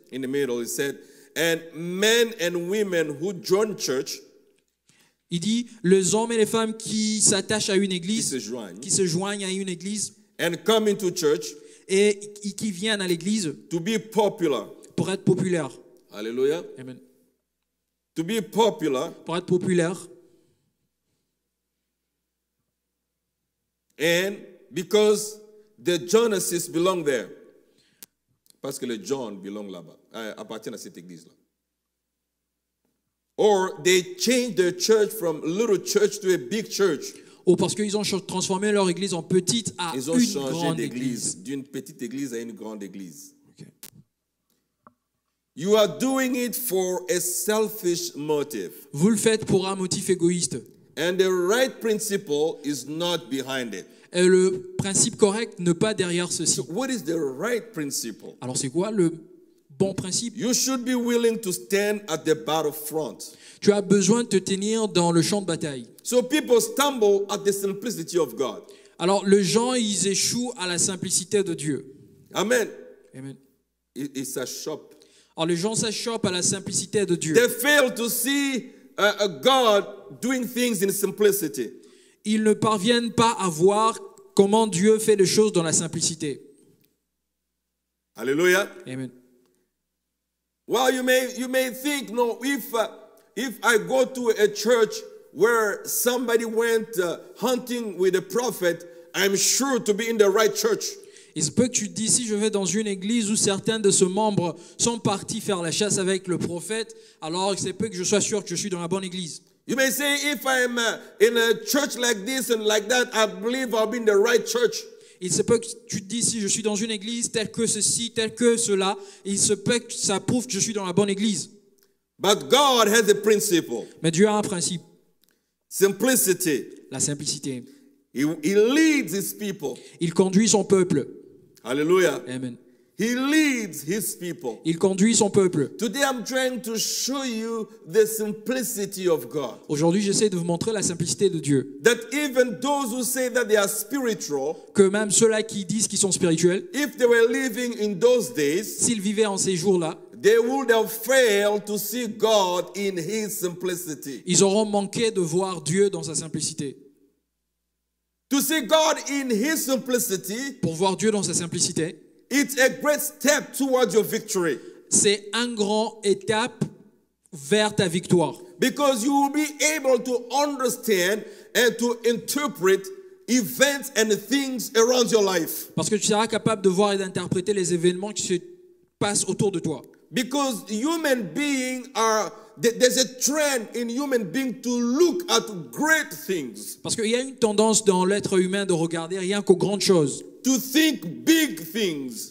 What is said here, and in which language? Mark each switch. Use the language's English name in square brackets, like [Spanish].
[English] In the middle it said, and men and women who join church. [French] Il dit, les hommes et les femmes qui s'attachent à une église, qui se joignent à une église, [English] and come into church, [French] et qui viennent à l'église, [English] to be popular, [French] pour être populaire. Alléluia. Amen. [English] To be popular, [French] pour être populaire. [English] And because the Jonas belong there, [French] parce que le John belong là-bas, appartient à cette église-là. [English] Or they changed their church from little church to a big church. [French] Ou parce qu'ils ont transformé leur église en petite à ils une changé grande d'église, église. D'une petite église à une grande église. [English] Okay. You are doing it for a selfish motive. [French] Vous le faites pour un motif égoïste. [English] And the right principle is not behind it. [French] Et le principe correct n'est pas derrière ceci. [English] So what is the right principle? [French] Alors c'est quoi le bon principe. [English] You should be willing to stand at the battlefront. [French] Tu as besoin de te tenir dans le champ de bataille. [English] So people stumble at the simplicity of God. [French] Alors les gens ils échouent à la simplicité de Dieu. Amen. Amen. [English] It's a shop. [French] Alors les gens s'échouent à la simplicité de Dieu. [English] They fail to see God doing things in simplicity. [French] Ils ne parviennent pas à voir comment Dieu fait les choses dans la simplicité. Alléluia. Amen. [English] Well, you may think, no, if I go to a church where somebody went hunting with a prophet, I'm sure to be in the right church. [French] Il se peut que tu te dises, si je vais dans une église où certains de ses membres sont partis faire la chasse avec le prophète, alors il se peut que je sois sûr que je suis dans la bonne église. [English] You may say, if I'm in a church like this and like that, I believe I'll be in the right church. [French] Il se peut que tu te dises, si je suis dans une église telle que ceci, telle que cela, il se peut que ça prouve que je suis dans la bonne église. [English] But God has a principle. [French] Mais Dieu a un principe. [English] Simplicity. [French] La simplicité. [English] He leads his people. [French] Il conduit son peuple. Alléluia. Amen. [English] He leads his people. [French] Il conduit son peuple. [English] Today I'm trying to show you the simplicity of God. [French] Aujourd'hui, j'essaie de vous montrer la simplicité de Dieu. [English] That even those who say that they are spiritual, [French] que même ceux-là qui disent qu'ils sont spirituels, [English] if they were living in those days, [French] s'ils vivaient en ces jours-là, [English] they would have failed to see God in his simplicity. [French] Ils auront manqué de voir Dieu dans sa simplicité. [English] To see God in his simplicity, [French] pour voir Dieu dans sa simplicité, [English] it's a great step towards your victory. [French] C'est un grand étape vers ta victoire. [English] Because you will be able to understand and to interpret events and things around your life. [French] Parce que tu seras capable de voir et d'interpréter les événements qui se passent autour de toi. [English] Because human beings are there's a trend in human beings to look at great things. [French] Parce qu'il y a une tendance dans l'être humain de regarder rien qu'aux grandes choses. [English] To think big things.